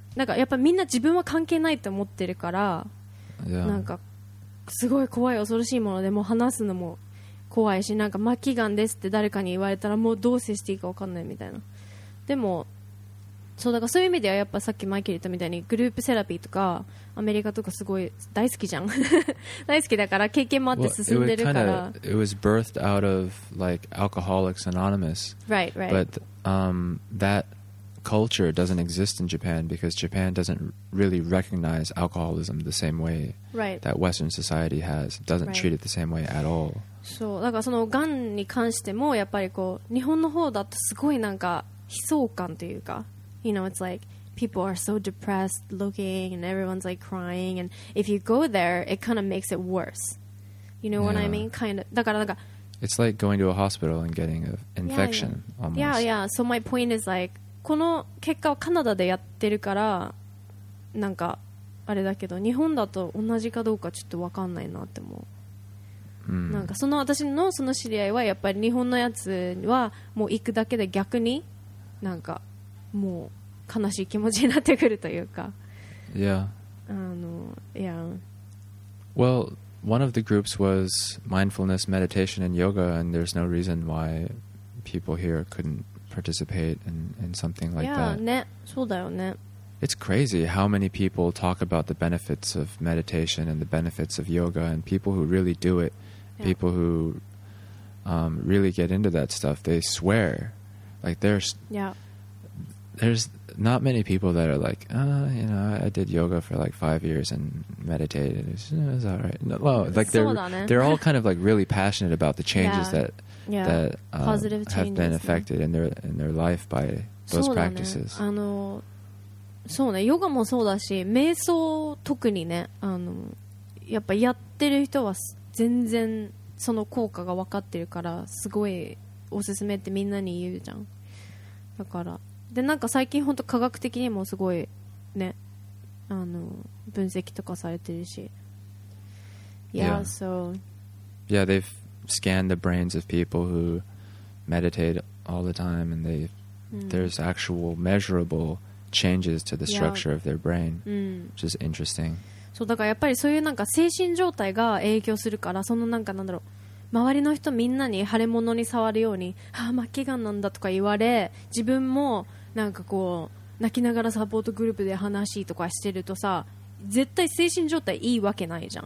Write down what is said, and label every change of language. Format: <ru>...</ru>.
<ja>なんかやっぱみんな自分は関係ないって思ってるから、なんかすごい怖い恐ろしいもので、もう話すのも怖いし、なんか末期がんですって誰かに言われたらもうどう接していいか分かんないみたいな。でもそうだから、そういう意味ではやっぱさっきマイケル言ったみたいにグループセラピーとかアメリカとかすごい大好きじゃん大好きだから経験もあって進んでるから、</ja> <en>well, it was birthed out of like Alcoholics Anonymous, right but that culture doesn't exist in Japan because Japan doesn't really recognize alcoholism the same way that Western society has, doesn't treat it the same way at all.</en> <ja>そうだから、そのがんに関してもやっぱりこう日本の方だとすごいなんか悲壮感というか、</ja> <en>You know, it's like people are so depressed looking and everyone's like crying, and if you go there, it kind of makes it worse. You know what I mean? Kind of.</en> <ja>だからなんか</ja> <en>It's like going to a hospital and getting an infection almost. Yeah. So my point is like,</en> <ja>この結果をカナダでやってるからなんかあれだけど、日本だと同じかどうかちょっと分かんないなって思う。なんかその私のその知り合いはやっぱり日本のやつはもう行くだけで逆になんかもう悲しい気持ちになってくるというか。</ja> <en>Yeah. Yeah. Well, one of the groups was mindfulness, meditation, and yoga, and there's no reason why people here couldn't participate in something like yeah, that.</en> <ja>Yeah, ね、そうだよね。</ja> <en>It's crazy how many people talk about the benefits of meditation and the benefits of yoga, and people who really do it, people who really get into that stuff, they swear. Like, there's not many people that are like, you know, I did yoga for like 5 years and meditated. It's all right. No, like, they're all kind of like really passionate about the changes that have been affected in their life by those practices.</en> <ja>そうね、ヨガもそうだし、瞑想特にね、やっぱやってる人は全然その効果が分かってるから、すごいおすすめってみんなに言うじゃん。だからで、なんか最近本当科学的にもすごいね、分析とかされてるし、</ja> <en>Yeah, so yeah, they've scanned the brains of people who meditate all the time, and they there's actual measurableChanges to the structure of their brain, which is interesting.</en> <ja>そうだからやっぱりそういうなんか精神状態が影響するから、そのなんかなんだろう、周りの人みんなに腫れ物に触るように、ああ末期がんなんだとか言われ、自分もなんかこう泣きながらサポートグループで話しとかしてるとさ、絶対精神状態いいわけないじゃん。</ja>